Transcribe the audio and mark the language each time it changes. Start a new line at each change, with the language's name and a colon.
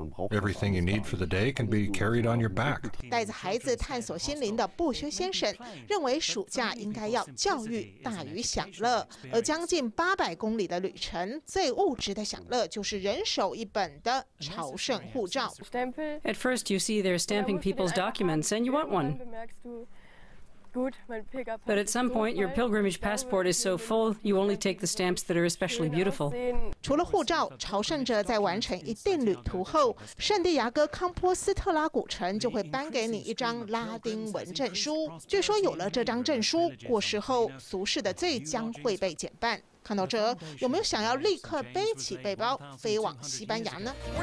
English: Everything you need for the day can be carried on your back.
Chinese: 带着孩子探索心灵的布修先生认为，暑假应该要教育大于享乐。而将近800公里的旅程，最物质的享乐就是人手一本的朝圣护照。
English: At first, you see they're stamping people's documents, and you want one. But at some point, your pilgrimage passport is so full, you only take the stamps that are especially beautiful.
Chinese: 除了护照，朝圣者在完成一定旅途后，圣地亚哥康波斯特拉古城就会颁给你一张拉丁文证书。据说有了这张证书，过世后俗世的罪将会被减半。看到这，有没有想要立刻背起背包飞往西班牙呢？